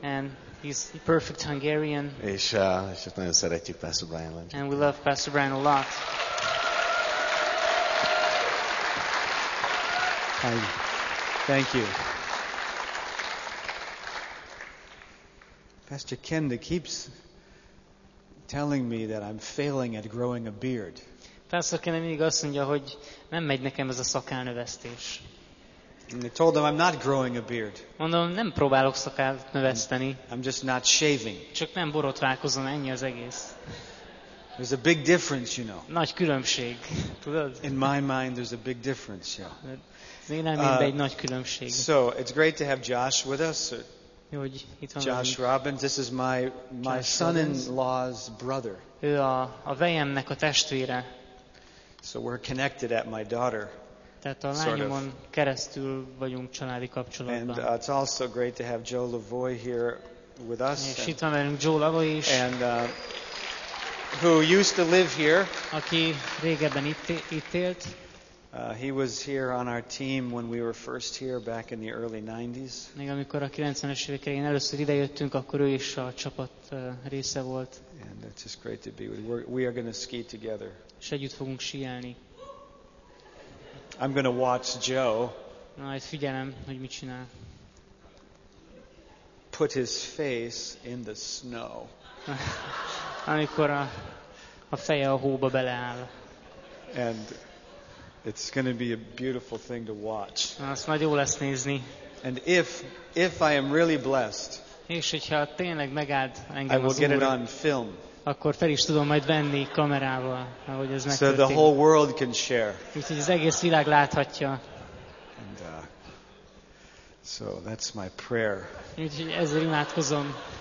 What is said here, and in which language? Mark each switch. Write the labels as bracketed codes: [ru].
[en] And he's perfect Hungarian. [hu] És nagyon szeretjük Pastor Brian Lynch. [en] And we love Pastor Brian a lot. Hi. Thank you. Pastor Kenda keeps telling me that I'm failing at growing a beard. [hu] Pastor Kenda mindig azt mondja, hogy nem megy nekem ez a szakálnövesztés. [en] And I told him I'm not growing a beard. [hu] Mondom, nem próbálok szakállat növeszteni. [en] I'm just not shaving. [hu] Csak nem borotválkozom, ennyi az egész. [en] There's a big difference, you know. [hu] Nagy különbség, tudod? [en] In my mind, there's a big difference, yeah. [hu] Én elmémbe egy nagy különbség. [en] So, it's great to have Josh with us. Josh Robbins, this is my son-in-law's brother. [hu] Ő a vejemnek a testvére. [en] So we're connected at my daughter. [hu] Tehát a lányomon keresztül vagyunk családi kapcsolatban. [en] And it's also great to have Joe Lavoy here with us. [hu] És itt van velünk Joe Lavoy is. [en] And who used to live here. [hu] Aki régebben itt élt. [en] He was here on our team when we were first here back in the early 90s. [hu] Még amikor a 90-es évek elején először idejöttünk, akkor ő is a csapat része volt. [en] And it's just great to be with you. We are going to ski together. [hu] És együtt fogunk síelni. [en] I'm going to watch Joe. [hu] Majd figyelem, hogy mit csinál. [en] Put his face in the snow. [hu] Amikor a feje a hóba beleáll. [en] And it's going to be a beautiful thing to watch. [hu] Azt majd jó lesz nézni. [en] And if I am really blessed. [hu] És hogyha tényleg megáld engem az Úr. [en] I will get it on film. [hu] Akkor fel is tudom majd venni kamerával, ahogy ez megtörténik. [en] So the whole world can share. [hu] Úgyhogy az egész világ láthatja. [en] And, so that's my prayer. [hu] Úgyhogy ezzel imádkozom.